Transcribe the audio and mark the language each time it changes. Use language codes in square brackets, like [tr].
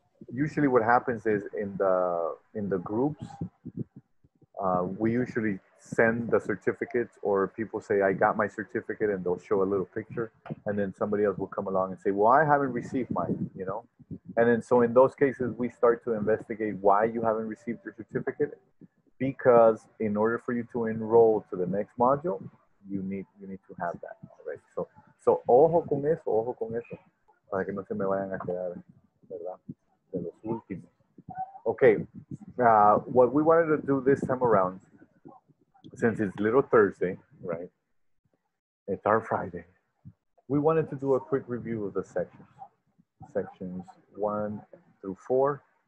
[en] Usually what happens is in the groups, we usually send the certificates, or people say, I got my certificate, and they'll show a little picture, and then somebody else will come along and say, well, I haven't received mine, you know? And then so in those cases, we start to investigate why you haven't received your certificate, because in order for you to enroll to the next module, you need to have that, right? [es] So ojo con eso, para que no se me vayan a quedar, ¿verdad? De los últimos. [en] Okay, what we wanted to do this time around, since it's Little Thursday, right? It's our Friday. We wanted to do a quick review of the sections 1 through 4.